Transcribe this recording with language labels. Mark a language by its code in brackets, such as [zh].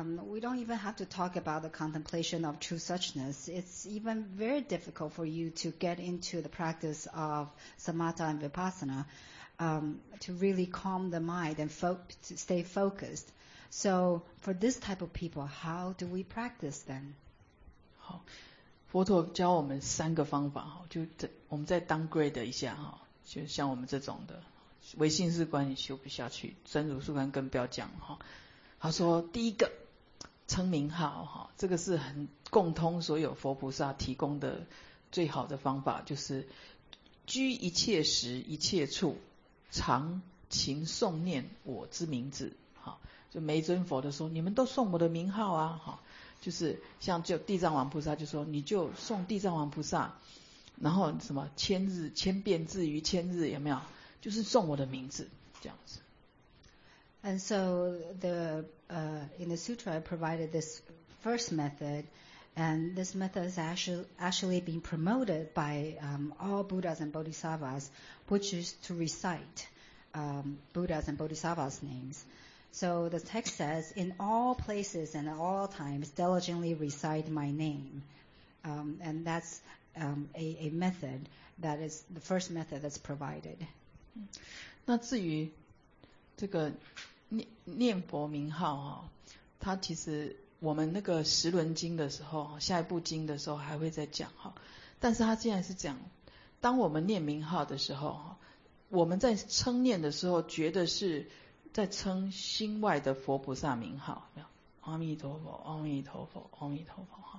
[en] We don't even have to talk about the contemplation of true suchness. It's even very difficult for you to get into the practice of samatha and vipassana, to really calm the mind and to stay focused. So for this type of people, how do we practice then? Oh. [zh] 佛陀教我们三个方法，就我们再 downgrade 一下，就像我们这种的唯心是观你修不下去，真如是观更不要讲。他说第一个称名号，这个是很共通所有佛菩萨提供的最好的方法，就是居一切时一切处常勤诵念我之名字，好，就每一尊佛都说你们都诵我的名号啊，好，就是像就地藏王菩萨就说你就诵地藏王菩萨，然后什么千日千遍至于千日，有没有，就是诵我的名字这样子。 [en] And so the in the sutra I provided this first method, and this method is actually being promoted by all Buddhas and Bodhisattvas, which is to recite Buddhas and Bodhisattvas' names. So the text says, in all places and at all times, diligently recite my name. And that's a method that is the first method that's provided. [zh] 那至于这个 念佛名号啊，它其实我们那个十轮经的时候，下一部经的时候还会再讲哈。但是它既然是讲，当我们念名号的时候，我们在称念的时候觉得是在称心外的佛菩萨名号，阿弥陀佛阿弥陀佛阿弥陀佛，